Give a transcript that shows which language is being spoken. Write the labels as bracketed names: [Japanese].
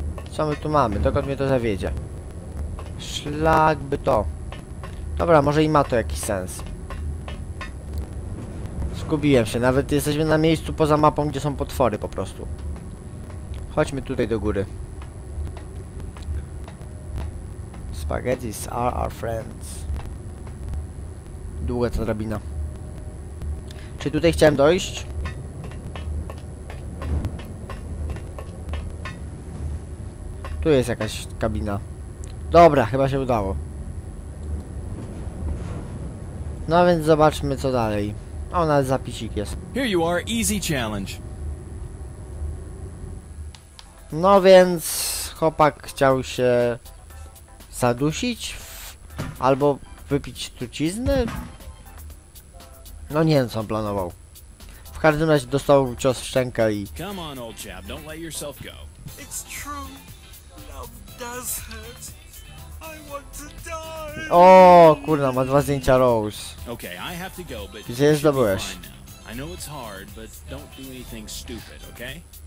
[Polish] Co my tu mamy? Dokąd mnie to zawiedzie? Szlakby to. Dobra, może i ma to jakiś sens. Zgubiłem się. Nawet jesteśmy na miejscu poza mapą, gdzie są potwory po prostu. Chodźmy tutaj do góry. [English] Spaghetti are our friends. [Polish] Długa ta drabina. Czy tutaj chciałem dojść? Tu jest jakaś kabina. Dobra, chyba się udało. No więc zobaczmy co dalej. O, nawet zapisik jest. [English] Here you are, easy challenge. [Polish] No więc chłopak chciał się zadusić albo wypić truciznę? No nie wiem, co on planował. W każdym razie dostał cios w szczękę i... [English] Come on, old chap, don't let yourself go. It's true. Love does hurt. I want to die. [Polish] O, kurna, ma dwa zdjęcia Rose. [English] Okay, I have to go, but... [Polish] Gdzie je zdobyłeś? [English] I know it's hard, but don't do anything stupid, okay?